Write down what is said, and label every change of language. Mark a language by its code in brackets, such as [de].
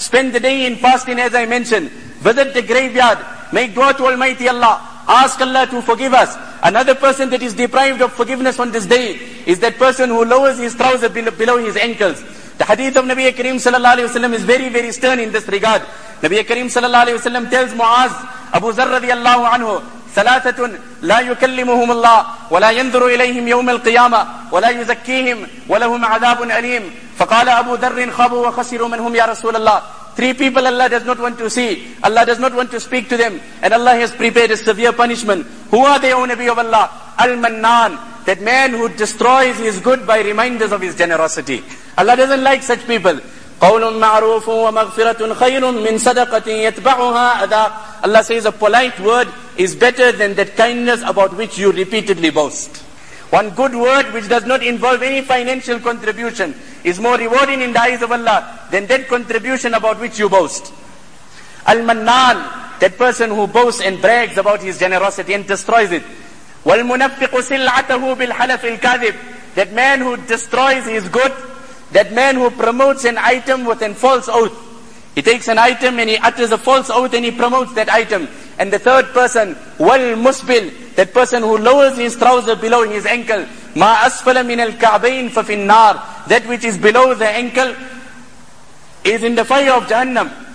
[en] Spend the day in fasting as I mentioned. Visit the graveyard. Make dua to Almighty Allah. Ask Allah to forgive us. Another person that is deprived of forgiveness on this day is that person who lowers his trousers below his ankles. The hadith of Nabi Kareem sallallahu alayhi wa sallam is very, very stern in this regard. Nabi Kareem sallallahu alayhi wa sallam tells Mu'az, Abu Zar radiallahu anhu, [ar] ثلاثة لا يكلمهم الله ولا ينظر إليهم يوم القيامة ولا يزكيهم ولهم عذاب أليم. فقال أبو ذر خابوا وخسروا من هم يا رسول الله. [en] Three people Allah does not want to see. Allah does not want to speak to them. And Allah has prepared a severe punishment. Who are they, O Nabi of Allah? Al-Mannan. That man who destroys his good by reminders of his generosity. Allah doesn't like such people. [ar] قول معروف ومغفرة خير من صدقة يتبعها أذى. [en] Allah says a polite word is better than that kindness about which you repeatedly boast. One good word which does not involve any financial contribution is more rewarding in the eyes of Allah than that contribution about which you boast. Al-Mannan, that person who boasts and brags about his generosity and destroys it. [ar] والمنفق سلعته بالحلف الكاذب. [en] That man who destroys his good. That man who promotes an item with a false oath. He takes an item and he utters a false oath and he promotes that item. And the third person, wal musbil, that person who lowers his trouser below his ankle. [ar] Ma asfala min al ka'bain fa fin nar. [en] That which is below the ankle is in the fire of Jahannam.